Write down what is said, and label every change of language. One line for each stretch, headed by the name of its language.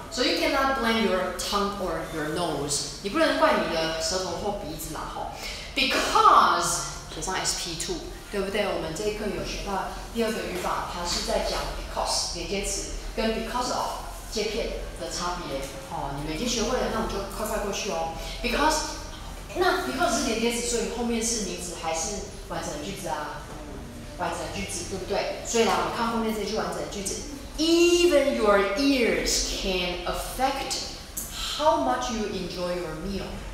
English: So you cannot blame your tongue or your nose.
Chinese: 你不能怪你的舌头或鼻子嘛，吼。 Because 写上 SP2， 对不对？我们这一课有学到第二个语法，它是在讲 because 连接词跟 because of 介片的差别。哦，你们已经学会了，那我们就快过去哦。Because 那 because 是连接词，所以后面是名词还是完整句子啊？完整句子，对不对？所以呢，我们看后面这句完整句子。
English: Even your ears can affect how much you enjoy your meal.